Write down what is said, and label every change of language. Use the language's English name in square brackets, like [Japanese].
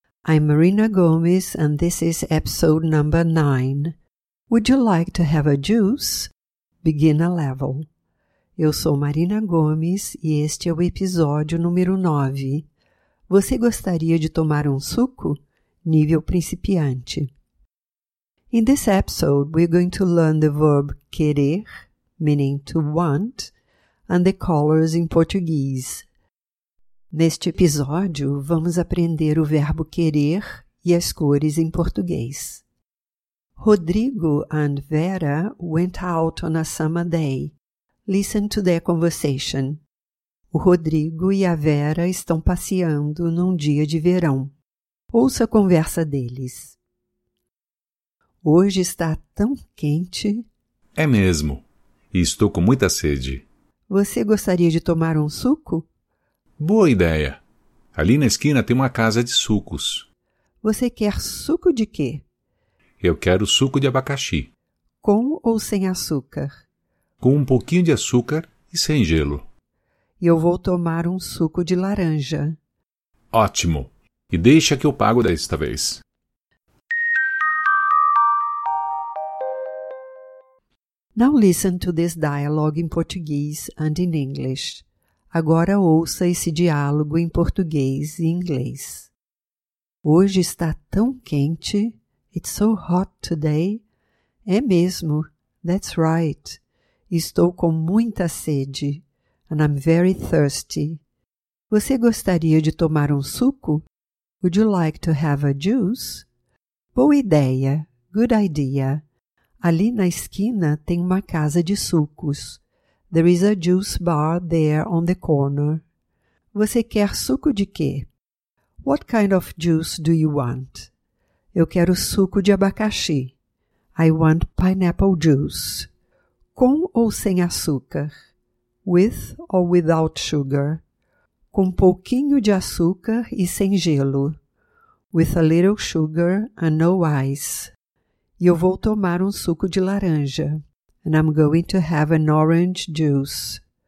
[English] I'm Marina Gomes and this is episode number 9. Would you like to have a juice? Beginner level. [Portuguese] Eu sou Marina Gomes e este é o episódio número 9. Você gostaria de tomar um suco? Nível principiante. [English] In this episode, we're going to learn the verb querer, meaning to want, and the colors in Portuguese. [Portuguese] Neste episódio, vamos aprender o verbo querer e as cores em português. [English] Rodrigo and Vera went out on a summer day. Listen to their conversation. [Portuguese] O Rodrigo e a Vera estão passeando num dia de verão. Ouça a conversa deles. Hoje está tão quente. É mesmo. E estou com muita sede. Você gostaria de tomar um suco? Boa ideia. Ali na esquina tem uma casa de sucos. Você quer suco de quê? Eu quero suco de abacaxi. Com ou sem açúcar? Com um pouquinho de açúcar e sem gelo. E eu vou tomar um suco de laranja. Ótimo. E deixa que eu pago desta vez. [English] Now listen to this dialogue in Portuguese and in English. [Portuguese] Agora ouça esse diálogo em português e inglês. Hoje está tão quente. [English] It's so hot today. [Portuguese] É mesmo. [English] That's right. [Portuguese] Estou com muita sede. [English] And I'm very thirsty. [Portuguese] Você gostaria de tomar um suco? [English] Would you like to have a juice? [Portuguese] Boa ideia. [English] Good idea. [Portuguese] Ali na esquina tem uma casa de sucos. [English] There is a juice bar there on the corner. [Portuguese] Você quer suco de quê? [English] What kind of juice do you want? [Portuguese] Eu quero suco de abacaxi. [English] I want pineapple juice. [Portuguese] Com ou sem açúcar? [English] With or without sugar? [Portuguese] Com pouquinho de açúcar e sem gelo. [English] With a little sugar and no ice. [Portuguese] E eu vou tomar um suco de laranja. [English] And I'm going to have an orange juice.